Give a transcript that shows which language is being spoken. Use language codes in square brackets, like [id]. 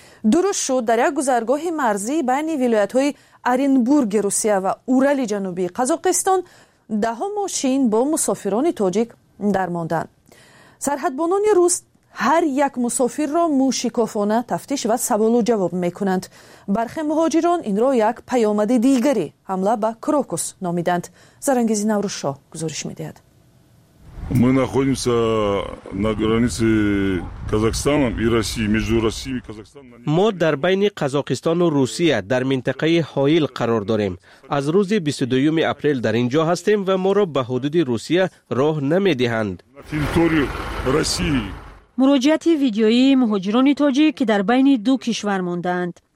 [fa] درست شد در یک گذرگاه مرزی بین ولایت‌های آرنبورگ روسیه و اورال جنوبی قزاقستان ده‌ها ماشین با مسافران تاجیک درماندند. سرحدبانان روس هر یک مسافر را موشکافانه تفتیش و سوال و جواب میکنند. برخی مهاجران این را یک پیامد دیگری حمله به کروکوس نامیدند. زرنگیزی نوروشا گزارش میدهد. [ru] Мы находимся на границе Казахстана и России, между Россией и Казахстаном. [fa] Мы در بین قزاقستان و روسیه در منطقه حائل قرار داریم. از روز 22 اپریل در اینجا هستیم و ما را به حدود روسیه راه نمی‌دهند. [ru] На территорию России. [fa] مراجعات ویدیویی مهاجران تاجیک که در بین دو کشور ماندند.